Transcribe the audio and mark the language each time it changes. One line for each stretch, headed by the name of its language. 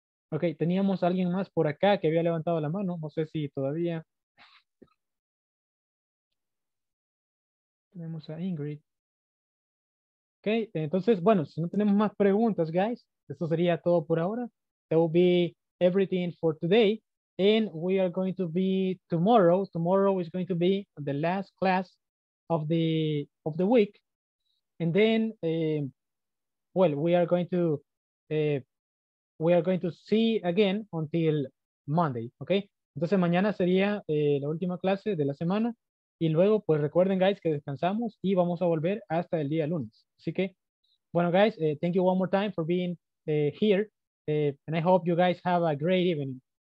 Spanish: Ok, teníamos a alguien más por acá que había levantado la mano. No sé si todavía. Tenemos a Ingrid. Ok, entonces, bueno, si no tenemos más preguntas, guys, esto sería todo por ahora.
English: That will be everything for today. And we are going to be tomorrow. Tomorrow is going to be the last class of the week. And then, well, we are going to see again until Monday, okay?
Spanish: Entonces mañana sería la última clase de la semana. Y luego, pues recuerden, guys, que descansamos y vamos a volver hasta el día lunes. Así que, bueno,
English: guys, thank you one more time for being here. And I hope you guys have a great evening.